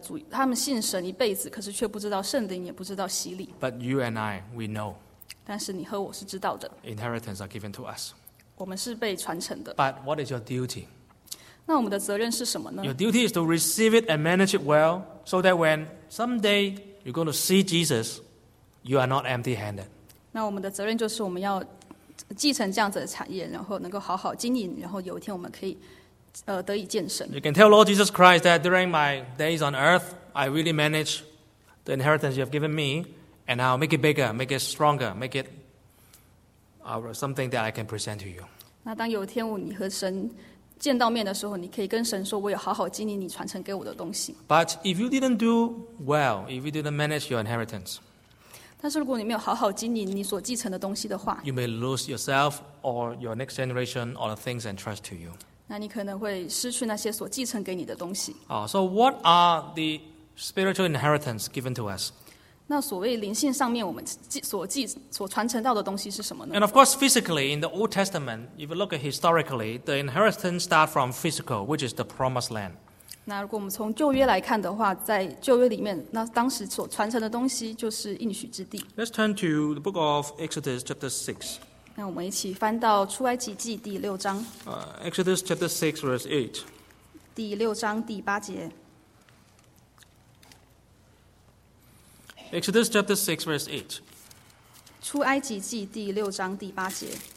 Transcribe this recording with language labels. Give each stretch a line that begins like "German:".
Chinese: 他们信神一辈子，可是却不知道圣灵，也不知道洗礼。
English: But you and I, we know.
Chinese: 但是你和我是知道的。
English: Inheritance are given to us.
Chinese: 我们是被传承的。
English: But what is your duty?
Chinese: 那我们的责任是什么呢？
English: Your duty is to receive it and manage it well, so that when someday you're going to see Jesus, you are not empty-handed.
Chinese: 那我们的责任就是我们要继承这样子的产业，然后能够好好经营，然后有一天我们可以。得以见神。
English: You can tell Lord Jesus Christ that during my days on earth, I really manage the inheritance you have given me, and I'll make it bigger, make it stronger, make it something that I can present to you.
Chinese: 那当有一天你和神见到面的时候，你可以跟神说，我有好好经营你传承给我的东西。
English: But if you didn't do well, if you didn't manage your inheritance,
Chinese: 但是如果你没有好好经营你所继承的东西的话，
English: you may lose yourself or your next generation or the things entrusted to you.
Chinese: 那你可能会失去那些所继承给你的东西。
English: So what are the spiritual inheritance given to us?
Chinese: 那所谓灵性上面我们所传承到的东西是什么呢？
English: And of course, physically, in the Old Testament, if you look at historically, the inheritance starts from physical, which is the promised land.
Chinese: 那如果我们从旧约来看的话，在旧约里面，那当时所传承的东西就是应许之地。
English: Let's turn to the book of Exodus, chapter 6.
Chinese: 那我们一起翻到出埃及记第六章。
English: Exodus chapter 6 verse 8.
Chinese: 第六章第八节。
English: Exodus chapter 6 verse 8.
Chinese: 出埃及记第六章第八节。